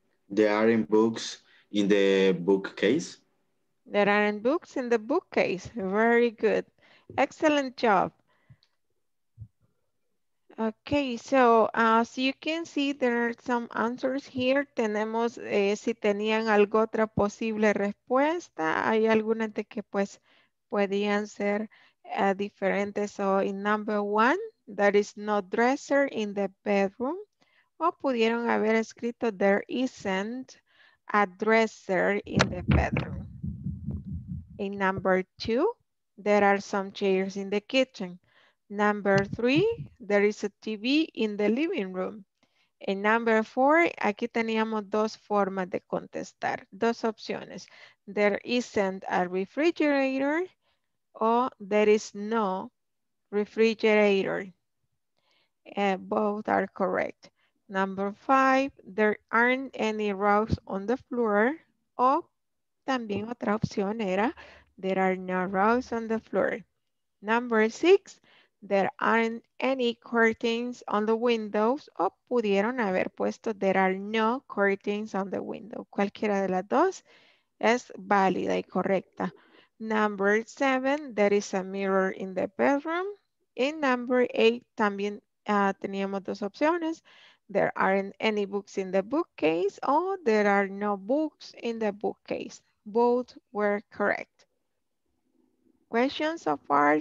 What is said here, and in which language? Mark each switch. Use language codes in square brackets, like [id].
[en] There aren't books in the bookcase. There aren't books in the bookcase. Very good. Excellent job. Okay, so as you can see, there are some answers here. [es] Tenemos si tenían algo otra posible respuesta. Hay algunas de que pues podían ser diferentes. [en] So in number one, there is no dresser in the bedroom. [es] O pudieron haber escrito [en] there isn't a dresser in the bedroom. In number two, there are some chairs in the kitchen. Number three, there is a TV in the living room. And number four, [es] aquí teníamos dos formas de contestar, dos opciones. [en] There isn't a refrigerator, or there is no refrigerator. Both are correct. Number five, there aren't any rugs on the floor. [es] O también otra opción era, [en] there are no rugs on the floor. Number six, there aren't any curtains on the windows. [es] O pudieron haber puesto, [en] there are no curtains on the window. [es] Cualquiera de las dos es válida y correcta. [en] Number seven, there is a mirror in the bedroom. In number eight, [es] también teníamos dos opciones. [en] There aren't any books in the bookcase. O there are no books in the bookcase. Both were correct. Questions so far?